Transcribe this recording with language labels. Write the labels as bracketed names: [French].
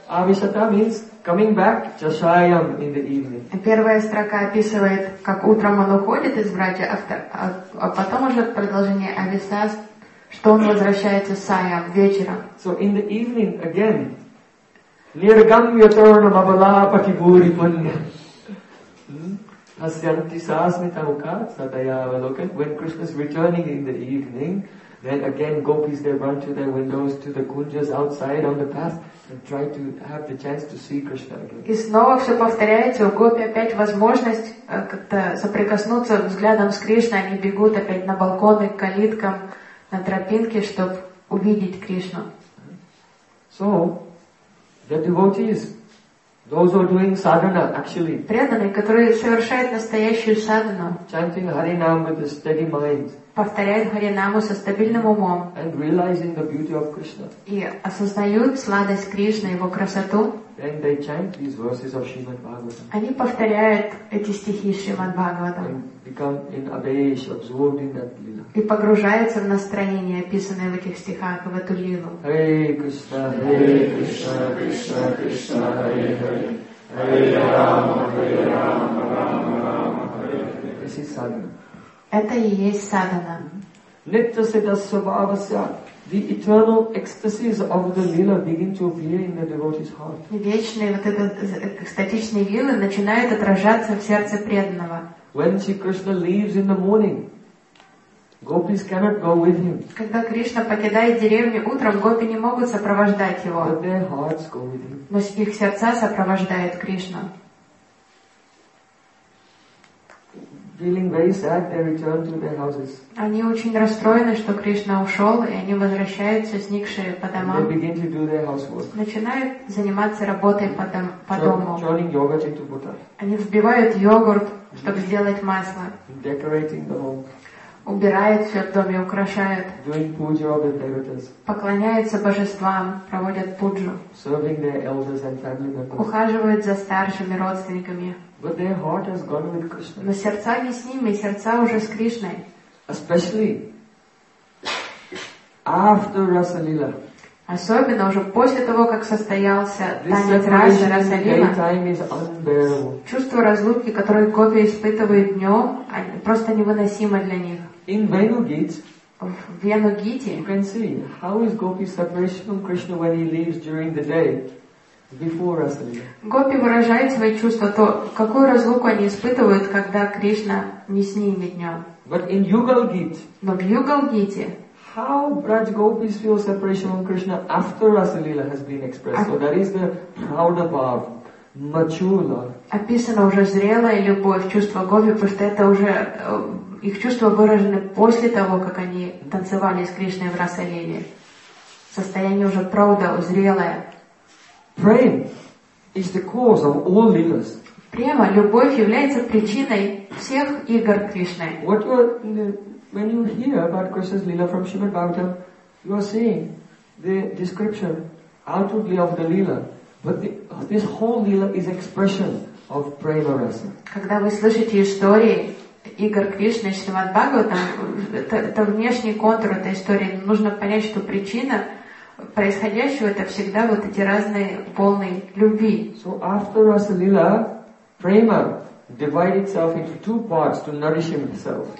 [English] Avishata means coming back to chayam in the evening. [Russian] Первая строка описывает, как утром он уходит из брача, а потом уже продолжение avishas. Что он возвращается с Саям вечером. [English] So in the evening again. [Sanskrit] Ниргам ятарна бабала пакибури панья. Асьянти сасмитамука садаявалока. [English] When Krishna's returning in the evening, then again gopis they run to their windows, to the kunjas outside on the path, and try to have the chance to see Krishna again. [Russian] И снова все повторяется, у гопи опять возможность как-то соприкоснуться взглядом с Кришной, они бегут опять на балконы, к калиткам, на тропинке, чтобы увидеть Кришну. [English] So, the devotees, those who are doing sadhana, actually. [Russian] Преданные, которые совершают настоящую садхану. [English] Chanting Harinam with a steady mind. [Russian] Повторяют Харинаму со стабильным умом. [English] And realizing the beauty of Krishna. [Russian] И осознают сладость Кришны, его красоту. [English] Then they chant these verses of Shrimad Bhagavatam. [Russian] Они повторяют эти стихи Шримад Бхагаватам. [English] Become in abeyance, absorbed in that lila. [Russian] И погружаются в настроение, описанное в этих стихах, в эту лилу. [Sanskrit] Hare Krishna, Hare Krishna, Krishna Krishna, Hare Hare. Hare Rama, Hare Rama, Rama Rama, Rama Rama, Hare Hare. [English] This is sadhana. [Russian] Это и есть садхана. [Sanskrit] Nitya siddha svabhavasya. [English] The eternal ecstasies of the lila begin to appear in the devotee's heart. [Russian] Вечные вот это статичные лилы начинают отражаться в сердце преданного. [English] When Sri Krishna leaves in the morning, gopis cannot go with him. [Russian] Когда Кришна покидает деревню утром, гопи не могут сопровождать его. [English] But their hearts go with him. [Russian] Но их сердца сопровождает Кришна. [English] Feeling very sad, they return to their houses. [Russian] Они очень расстроены, что Кришна ушел, и они возвращаются, сникшие по домам. [English] And they begin to do their housework. [Russian] Начинают заниматься работой по дому. [English] Churning yogurt into butter. [Russian] Они взбивают йогурт, чтобы сделать масло. [English] Decorating the home. [Russian] Убирают все в доме, украшают. [English] Doing puja of the devotees. [Russian] Поклоняются божествам, проводят пуджу. [English] Serving their elders and family members. [Russian] Ухаживают за старшими родственниками. [English] But their heart has gone with Krishna. [Russian] Но сердца не с ними, сердца уже с Кришной. [English] Especially after Rasalila. [Russian] Особенно уже после того, как состоялся танец Раса Расалила, чувство разлуки, которое гопи испытывает днем, просто невыносимо для них. [English] In Venugit, [Russian] в Венугите, [English] you can see how is gopi separation from Krishna when he leaves during the day. Before Rasalila. [Russian] Гопи выражают свои чувства, то какую разлуку они испытывают, когда Кришна не с ними днем. [English] But in Yugalgit, [Russian] но в Югалгите, [English] how Braj gopis feel separation from Krishna after Rasalila has been expressed? So that is the proud above, mature love. [Russian] Описана уже зрелая любовь, чувство гопи, потому что это уже их чувства выражены после того, как они танцевали с Кришной в Расалиле. Состояние уже прауда, зрелое. [English] Prem is the cause of all lilas. [Russian] Према, любовь является причиной всех игр Кришны. [English] What you, when you hear about Krishna's lila from Shrimad Bhagavatam, you are seeing the description outwardly of the lila, but this whole lila is expression of prema rasa. [Russian] Когда вы слышите истории игр Кришны, Шримад Бхагаватам, это внешний контур этой истории. Нужно понять, что причина происходящего это всегда вот эти разные полные любви. [English] So after Rasa Lila, prema divide itself into two parts to nourish himself.